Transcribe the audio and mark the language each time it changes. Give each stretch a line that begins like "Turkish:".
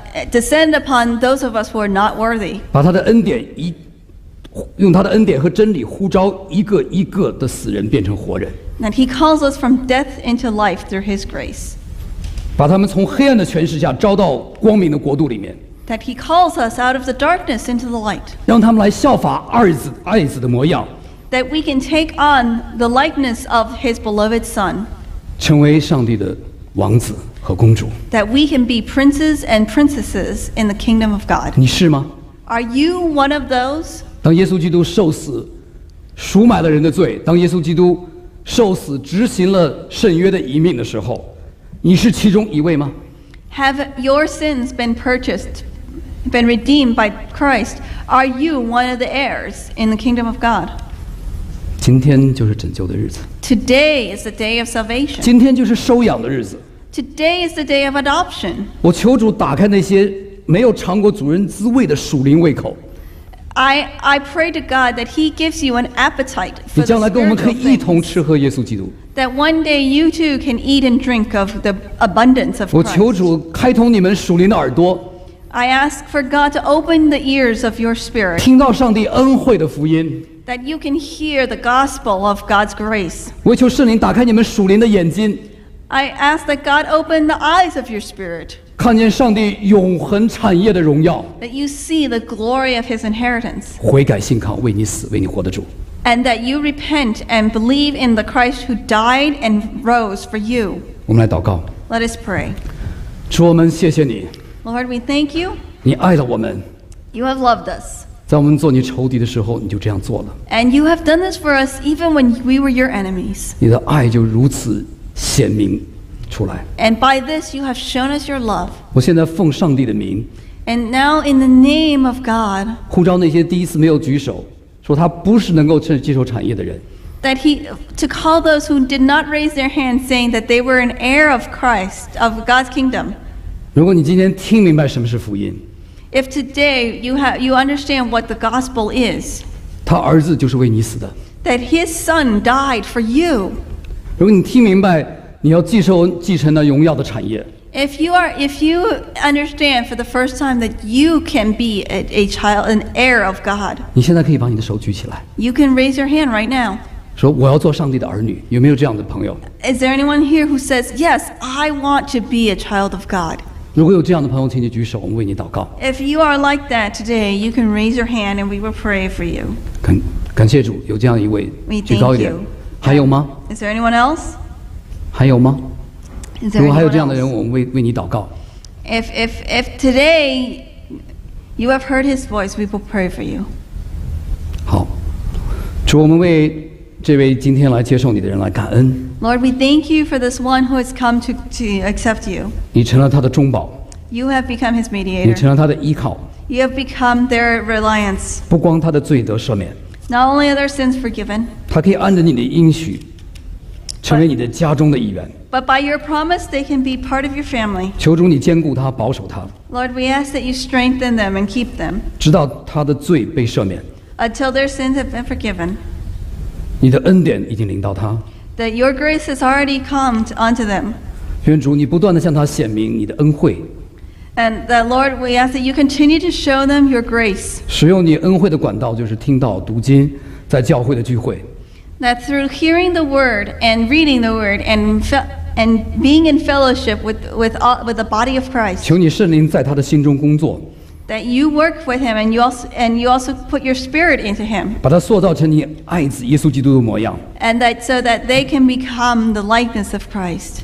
English: descend upon those of us who are not worthy.
Chinese: 把他的恩典用他的恩典和真理呼召一个一个的死人变成活人。
English: That He calls us from death into life through His grace.
Chinese: 把他们从黑暗的权势下召到光明的国度里面。
English: That He calls us out of the darkness into the light.
Chinese: 让他们来效法爱子的模样。
English: That we can take on the likeness of His beloved Son.
Chinese: 成为上帝的王子和公主。
English: That we can be princes and princesses in the kingdom of God.
Chinese: 你是吗？
English: Are you one of those?
Chinese: 当耶稣基督受死，赎买了人的罪。当耶稣基督受死，执行了圣约的遗命的时候，你是其中一位吗？
English: Have your sins been purchased, been redeemed by Christ? Are you one of the heirs in the kingdom of God?
Chinese: 今天就是拯救的日子。
English: Today is the day of salvation.
Chinese: 今天就是收养的日子。
English: Today is the day of adoption.
Chinese: 我求主打开那些没有尝过主人滋味的属灵胃口。
English: I pray to God that He gives you an appetite for the spiritual things. That one day you too can eat and drink of the abundance of Christ.
Chinese: 我求主开通你们属灵的耳朵。
English: I ask for God to open the ears of your spirit.
Chinese: 听到上帝恩惠的福音。
English: That you can hear the gospel of God's grace.
Chinese: 我求圣灵打开你们属灵的眼睛。
English: I ask that God open the eyes of your spirit.
Chinese: 看见上帝永恒产业的荣耀。
English: That you see the glory of His inheritance.
Chinese: 悔改信靠为你死为你活的主。
English: And that you repent and believe in the Christ who died and rose for you.
Chinese: 我们来祷告。
English: Let us pray.
Chinese: 主，我们谢谢你。
English: Lord, we thank you.
Chinese: 你爱了我们。
English: You have loved us.
Chinese: 在我们做你仇敌的时候，你就这样做了。
English: And you have done this for us even when we were your enemies.
Chinese: 你的爱就如此。显明出来。
English: And by this you have shown us your love.
Chinese: 我现在奉上帝的名。
English: And now in the name of God.
Chinese: 呼召那些第一次没有举手，说他不是能够承继承产业的人。
English: That he to call those who did not raise their hand, saying that they were an heir of Christ of God's kingdom.
Chinese: 如果你今天听明白什么是福音。
English: If today you understand what the gospel is.
Chinese: 他儿子就是为你死的。
English: That his son died for you.
Chinese: 如果你听明白，你要继承那荣耀的产业。
English: If you understand for the first time that you can be a child, an heir of God.
Chinese: 你现在可以把你的手举起来。
English: You can raise your hand right now.
Chinese: 说我要做上帝的儿女，有没有这样的朋友
English: ？Is there anyone here who says yes? I want to be a child of God.
Chinese: 如果有这样的朋友，请你举手，我们为你祷告。
English: If you are like that today, you can raise your hand and we will pray for you.
Chinese: 感谢主，有这样一位，举高一点。还有吗
English: ？Is there anyone else？
Chinese: 还有吗
English: ？Is there
Chinese: 如果还有这样的人，我们为你祷告。
English: If today you have heard his voice, we will pray for you.
Chinese: 好，主，我们为这位今天来接受你的人来感恩。
English: Lord, we thank you for this one who has come to accept you.
Chinese: 你成了他的中保。
English: You have become his mediator.
Chinese: 你成了他的依靠。
English: You have become their reliance.
Chinese: 不光他的罪得赦免。
English: Not only are their sins forgiven,
Chinese: 他可以按着你的应许，成为你的家中的一员。
English: But by your promise, they can be part of your family.
Chinese: 求主你坚固他，保守他。
English: Lord, we ask that you strengthen them and keep them.
Chinese: 直到他的罪被赦免。
English: Until their sins have been forgiven.
Chinese: 你的恩典已经临到他。
English: That your grace has already come unto them.
Chinese: 愿主你不断地向他显明你的恩惠。
English: And that, Lord, we ask that you continue to show them your grace.
Chinese: 使用你恩惠的管道，就是听道、读经，在教会的聚会。
English: That through hearing the word and reading the word and being in fellowship with the body of Christ.
Chinese: 求你圣灵在他的心中工作。
English: That you work with him and you also put your spirit into him.
Chinese: 把他塑造成你爱子耶稣基督的模样。
English: And that so that they can become the likeness of Christ.